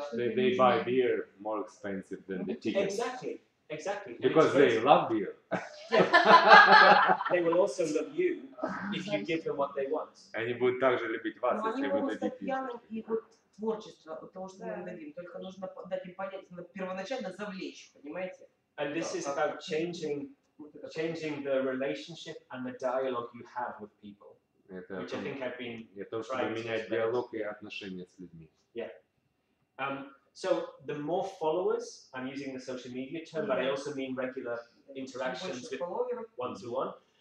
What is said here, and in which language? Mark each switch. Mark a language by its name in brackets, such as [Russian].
[English] They buy beer more expensive than the tickets. Exactly. Because they love beer. They will also love you if you give them what they want. [Russian] Они будут также любить вас, если вы дадите пиво. Творчество, потому что мы дадим. Только нужно дать им понять, первоначально завлечь, понимаете? [English] And this is about changing. Changing the relationship and the dialogue you have with people, which I think I've been trying to explain. [Russian] И отношения с людьми. [English] Yeah. So the more followers, I'm using the social media term, but I also mean regular interactions with one-to-one.